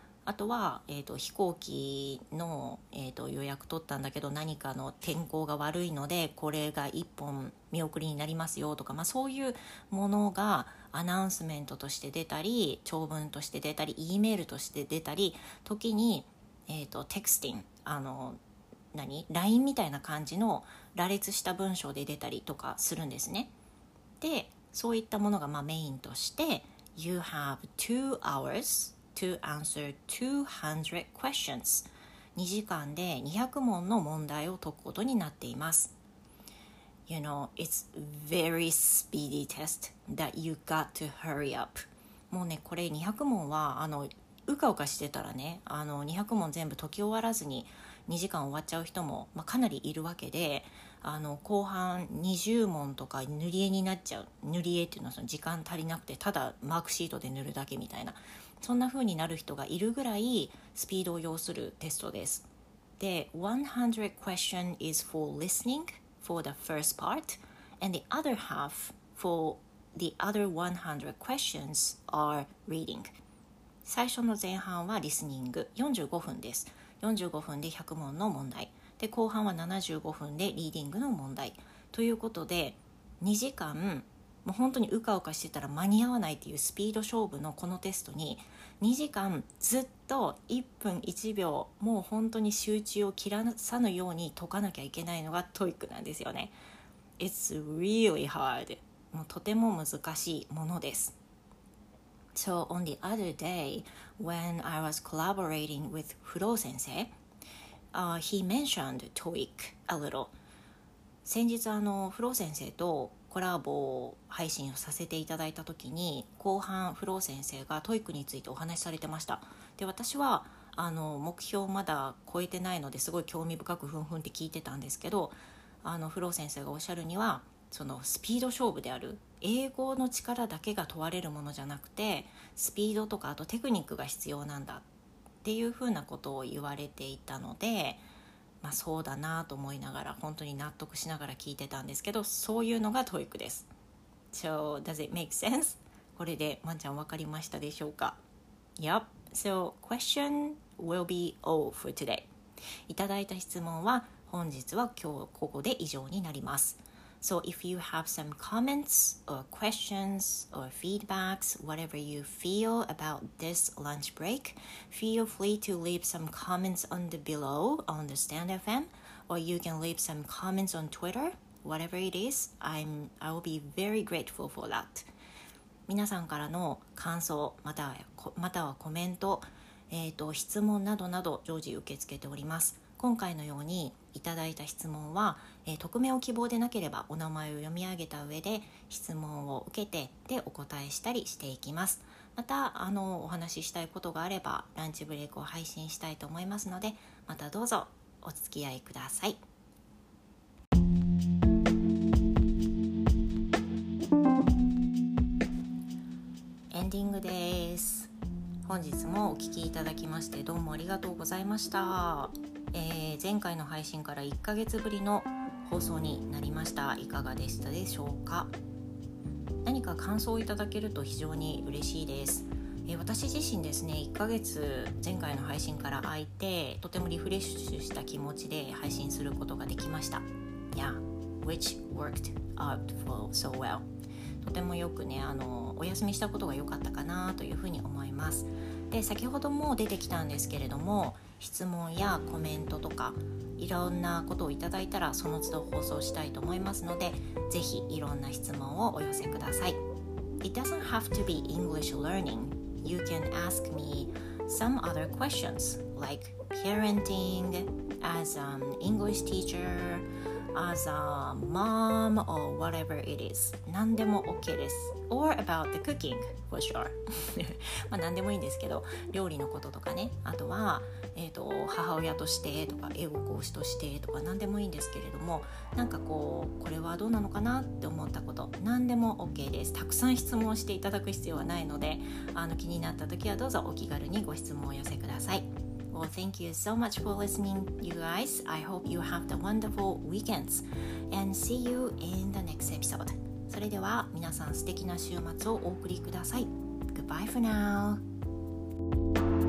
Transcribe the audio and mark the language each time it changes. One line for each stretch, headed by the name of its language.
Japanese: あとは、飛行機の、予約取ったんだけど何かの天候が悪いのでこれが一本見送りになりますよとか、まあ、そういうものがアナウンスメントとして出たり、長文として出たり、 E メールとして出たり、時に、テクスティン、何 LINE みたいな感じの羅列した文章で出たりとかするんですね。で、そういったものがまあメインとして、
English: You have 2 hours to answer 200 questions。
Japanese: 2時間で200問の問題を解くことになっています。
English: You know, it's very speedy test that you got to hurry up。
Japanese: もうね、これ200問はうかうかしてたらね、200問全部解き終わらずに2時間終わっちゃう人も、まあ、かなりいるわけで、後半20問とか塗り絵になっちゃう。塗り絵っていうのはその時間足りなくてただマークシートで塗るだけみたいな、そんな風になる人がいるぐらいスピードを要するテストです。で、
English: 100 question is for listening for the first part, and the other half for the other 100 questions are reading。
Japanese: 最初の前半はリスニング、45分です。45分で100問の問題で、後半は75分でリーディングの問題ということで、2時間もう本当にうかうかしてたら間に合わないっていうスピード勝負のこのテストに、2時間ずっと1分1秒もう本当に集中を切らさぬように解かなきゃいけないのがTOEICなんですよね。
English: It's really hard。
Japanese: もうとても難しいものです。
English: So on the other day when I was collaborating with Furo 先生、he mentioned TOEIC a little。
Japanese: 先日フロー先生とコラボ配信をさせていただいた時に、後半フロー先生が TOEIC についてお話しされてました。で、私は目標まだ超えてないのですごい興味深くふんふんって聞いてたんですけど、フロー先生がおっしゃるには、そのスピード勝負である、英語の力だけが問われるものじゃなくて、スピードとかあとテクニックが必要なんだっていうふうなことを言われていたので、まあそうだなと思いながら、本当に納得しながら聞いてたんですけど、そういうのがTOEICです。
English: So does it make sense?
Japanese: これでまんちゃん分かりましたでしょうか？
English: Yep, so question will be all for today。
Japanese: いただいた質問は本日は今日ここで以上になります。
English: So if you have some comments or questions or feedbacks, whatever you feel about this lunch break, feel free to leave some comments on the below on the Stand FM, or you can leave some comments on Twitter, whatever it is, I will be very grateful for that.
Japanese: 皆さんからの感想、またはコメント、質問などなど常時受け付けております。今回のようにいただいた質問は、匿名を希望でなければお名前を読み上げた上で質問を受けてでお答えしたりしていきます。またお話ししたいことがあればランチブレイクを配信したいと思いますので、またどうぞお付き合いください。エンディングです。本日もお聞きいただきましてどうもありがとうございました、前回の配信から1ヶ月ぶりの放送になりました。いかがでしたでしょうか。何か感想をいただけると非常に嬉しいです。私自身ですね、1ヶ月前回の配信から空いてとてもリフレッシュした気持ちで配信することができました。
English: Yeah, which worked out for so well。
Japanese: とてもよくね、お休みしたことが良かったかなというふうに思います。で、先ほども出てきたんですけれども、質問やコメントとかいろんなことをいただいたらその都度放送したいと思いますので、ぜひいろんな質問をお寄せください。
English: It doesn't have to be English learning. You can ask me some other questions like parenting as an English teacher, as a mom or whatever it is.
Japanese: 何でも OK です。
English: Or about the cooking, for sure.
Japanese: まあ何でもいいんですけど、料理のこととかね、あとは、母親としてとか英語講師としてとか何でもいいんですけれども、なんかこうこれはどうなのかなって思ったこと、何でも OK です。たくさん質問していただく必要はないので、気になった時はどうぞお気軽にご質問を寄せください。
English: Well, thank you so much for listening, you guys. I hope you have the wonderful weekends and see you in the next episode.
Japanese: それでは皆さん素敵な週末をお送りください。
English: Goodbye for now.